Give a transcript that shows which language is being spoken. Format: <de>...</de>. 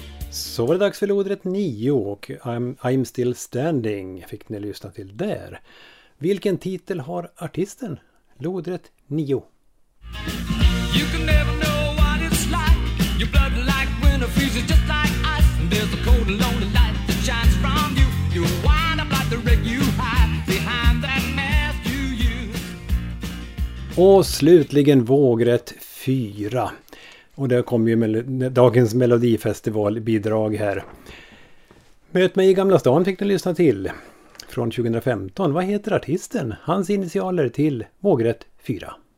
<sv>Så var det dags för lodret 9 och I'm Still Standing fick ni lyssna till där. Vilken titel har artisten? Lodret 9.</sv> <en>You can never know what it's like. Your blood like when it freezes just like ice. And there's a cold and lonely light that shines from you. You wind up like the wreck you hide behind that mask you use.</en> <sv>Och slutligen vågret 4. Och där kom ju dagens Melodifestival-bidrag här. Möt mig i Gamla stan fick ni lyssna till. Från 2015. Vad heter artisten? Hans initialer till vågret 4.</sv>